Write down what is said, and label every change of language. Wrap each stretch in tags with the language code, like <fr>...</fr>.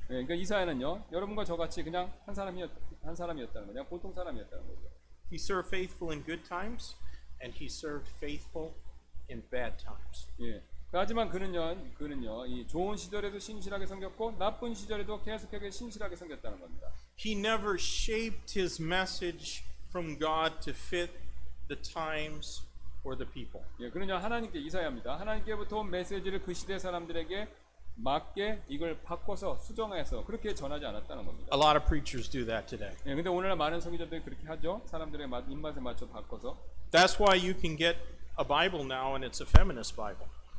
<ko>예, 그러니까 이사야는요, 여러분과 저 같이 그냥 한 사람이었다는 거죠. 보통 사람이었다는 거죠.</ko> <en>He served faithful in good times, and he served faithful in bad times.</en> <ko>예. 하지만 그는요, 이 좋은 시절에도 신실하게 섬겼고 나쁜 시절에도 계속해서 신실하게 섬겼다는 겁니다.</ko> <en>He never shaped his message from God to fit the times or the people.</en> <ko>예, 그는요 하나님께 이사야입니다. 하나님께부터 온 메시지를 그 시대 사람들에게 맞게 이걸 바꿔서 수정해서 그렇게 전하지 않았다는 겁니다.</ko> <en>A lot of preachers do that today.</en> <ko>예, 근데 오늘날 많은 선교자들이 그렇게 하죠. 사람들의 입맛에 맞춰 바꿔서.</ko> <en>That's why you can get a Bible now and it's a feminist Bible.</en>